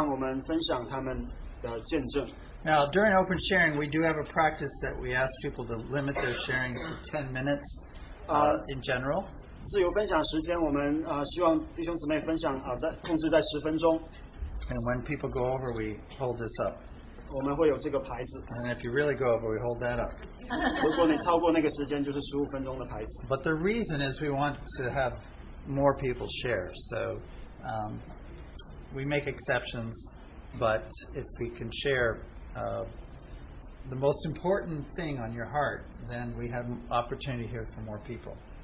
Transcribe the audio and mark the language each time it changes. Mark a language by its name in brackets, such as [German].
[Chinese] 也为着那些从其他的地方来探访我们的弟兄姊妹，我们也希望他们能够向我们分享他们的见证。 [English] Now, during open sharing, we do have a practice that we ask people to limit their sharing to 10 minutes in general. [Chinese] 自由分享时间，我们希望弟兄姊妹分享在控制在10分钟。 [English] And when people go over, we hold this up. [Chinese] 我们会有这个牌子。 [English] And if you really go over, we hold that up. [Chinese] 如果你超过那个时间，就是15分钟的牌子。 [English] But the reason is we want to have more people share. So we make exceptions, but if we can share the most important thing on your heart, then we have opportunity here for more people.